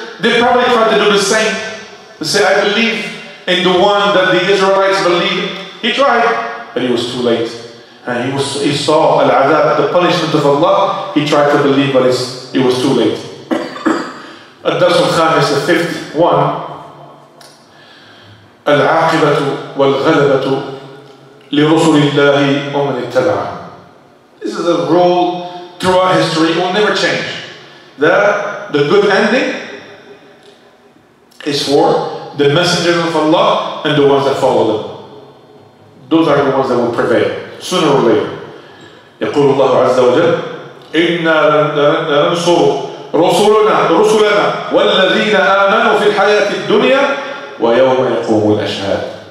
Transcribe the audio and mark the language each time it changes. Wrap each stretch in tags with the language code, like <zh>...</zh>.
<en>They probably tried to do the same. They say, I believe in the one that the Israelites believe. He tried, but he was too late. And he saw al-adab, the punishment of Allah. He tried to believe, but it was too late.</en> <ar>الدرس الخامس,</ar> <en>the fifth one.</en> <ar>العاقبة والغلبة لرسل الله ومن اتبع.</ar> <en>This is a rule throughout history. It will never change. That the good ending is for the messengers of Allah and the ones that follow them. Those are the ones that will prevail sooner or later.</en> <ar>يقول الله عز وجل إِنَّا لَنَنْصُرُ رُسُلَنَا وَالَّذِينَ آمَنُوا فِي الْحَيَاةِ الدُّنْيَا وَيَوْمَ يَقُومُ الْأَشْهَادِ.</ar>